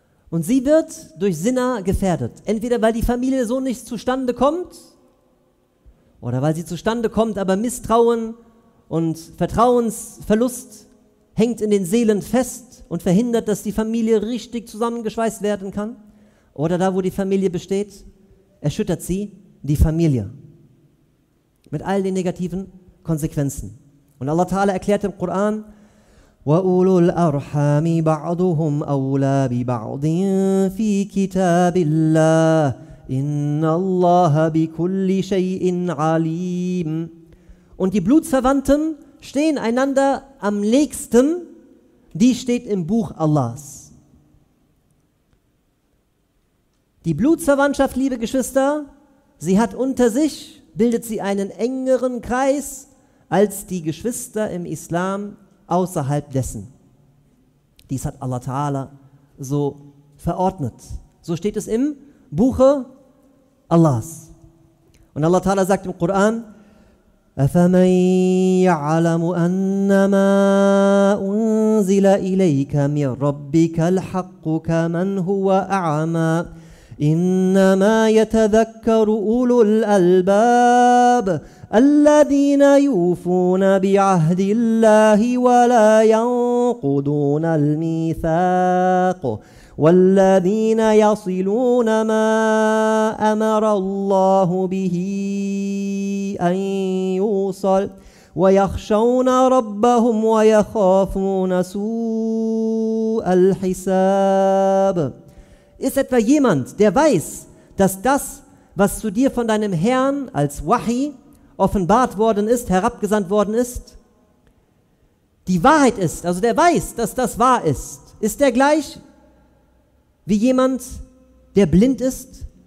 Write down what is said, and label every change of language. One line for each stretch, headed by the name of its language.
German: Und sie wird durch Zina gefährdet. Entweder weil die Familie so nicht zustande kommt oder weil sie zustande kommt, aber Misstrauen und Vertrauensverlust hängt in den Seelen fest und verhindert, dass die Familie richtig zusammengeschweißt werden kann. Oder da, wo die Familie besteht, erschüttert sie die Familie. Mit all den negativen Konsequenzen. Und Allah Ta'ala erklärt im Koran,
Arabic: وَأُولُو الْأَرْحَامِ بَعْضُهُمْ أَوْلَى بِبَعْضٍ فِي كِتَابِ اللَّهِ إِنَّ اللَّهَ بِكُلِّ شَيْءٍ عَلِيمٌ.
German: Und die Blutsverwandten stehen einander am nächsten, die steht im Buch Allahs. Die Blutsverwandtschaft, liebe Geschwister, sie hat unter sich, bildet sie einen engeren Kreis als die Geschwister im Islam außerhalb dessen. Dies hat Allah Ta'ala so verordnet. So steht es im Buche Allahs. Und Allah Ta'ala sagt im Koran,
Arabic: أَفَمَنْ يَعْلَمُ أَنَّمَا أُنْزِلَ إِلَيْكَ مِنْ رَبِّكَ الْحَقُّ كَمَنْ هُوَ أَعْمَى إِنَّمَا يَتَذَكَّرُ أُولُو الْأَلْبَابِ الَّذِينَ يُوفُونَ بِعَهْدِ اللَّهِ وَلَا ينقضون الميثاق والذين يصلون ما أمر الله به أن يوصل ويخشون ربهم ويخافون سوء الحساب.
German: Ist etwa jemand, der weiß, dass das, was zu dir von deinem Herrn als Wahi offenbart worden ist, herabgesandt worden ist, die Wahrheit ist, also der weiß, dass das wahr ist, ist der gleich wie jemand, der blind ist?